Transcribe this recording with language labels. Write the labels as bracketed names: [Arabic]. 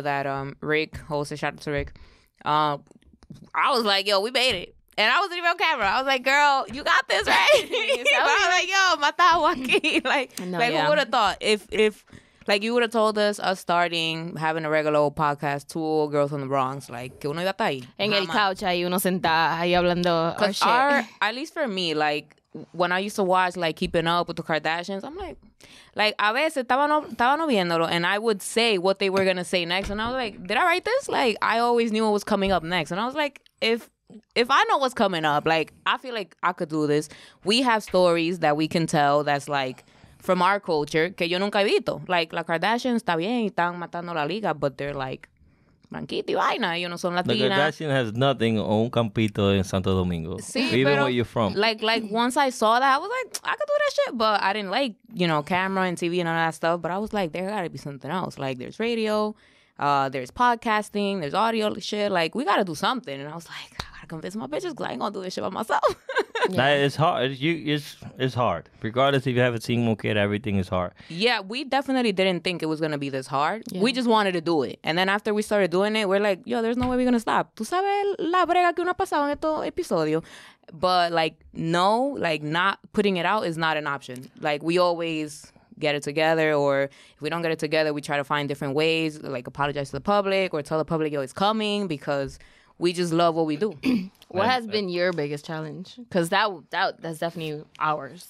[English] that Rick hosted, shout out to Rick. I was like, yo, we made it. And I wasn't even on camera. I was like, girl, you got this, right? So I was like, yo, matawaki. Who would have thought if you would have told us starting having a regular old podcast, two old girls in the Bronx, like, [Spanish] que uno iba a estar ahí. En el couch, ahí uno sentado, ahí hablando. [English] At least for me, like, when I used to watch, like, Keeping Up with the Kardashians, I'm like, [Spanish] a veces estaban viéndolo, [English] and I would say what they were going to say next. And I was like, did I write this? Like, I always knew what was coming up next. And I was like, if I know what's coming up, like, I feel like I could do this. We have stories that we can tell that's, like, from our culture, [Spanish] que yo nunca he visto. Like, la Kardashian está bien y están matando la liga, [English] but they're like, [Spanish] manquita y vaina, you know, son latinas. [English] The Kardashian has nothing on [Spanish] un campito [English] in Santo Domingo, [Spanish] sí, [English] even [Spanish] pero, [English] where you're from. Like once I saw that, I was like, I could do that shit, but I didn't like, you know, camera and TV and all that stuff, but I was like, there gotta be something else. Like, there's radio, there's podcasting, there's audio shit, like, we gotta do something. And I was like, I gotta convince my bitches, because I ain't gonna do this shit by myself. Yeah. That is hard. It's hard. Regardless if you haven't seen Moquette, everything is hard. Yeah, we definitely didn't think it was going to be this hard. Yeah. We just wanted to do it. And then after we started doing it, we're like, yo, there's no way we're going to stop. [Spanish] ¿Tú sabes la brega que uno ha pasado en este episodio? [English] But, like, no, like, not putting it out is not an option. Like, we always get it together, or if we don't get it together, we try to find different ways, like, apologize to the public or tell the public, yo, it's coming, because we just love what we do. What has been your biggest challenge? Because that's definitely ours.